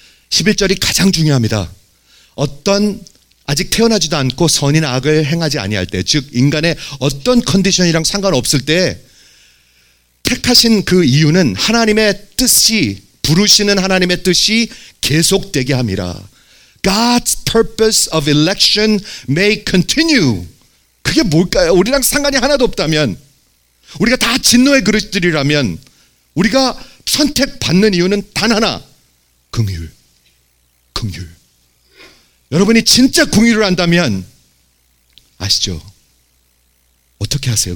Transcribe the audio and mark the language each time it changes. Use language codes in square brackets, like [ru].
[ko] 11절이 가장 중요합니다. 어떤 아직 태어나지도 않고 선이나 악을 행하지 아니할 때, 즉 인간의 어떤 컨디션이랑 상관없을 때 택하신 그 이유는 하나님의 뜻이, 부르시는 하나님의 뜻이 계속되게 합니다. [en] God's purpose of election may continue. [ko] 그게 뭘까요? 우리랑 상관이 하나도 없다면, 우리가 다 진노의 그릇들이라면 우리가 선택받는 이유는 단 하나, 긍휼. 긍휼. 여러분이 진짜 긍휼을 한다면 아시죠? 어떻게 하세요?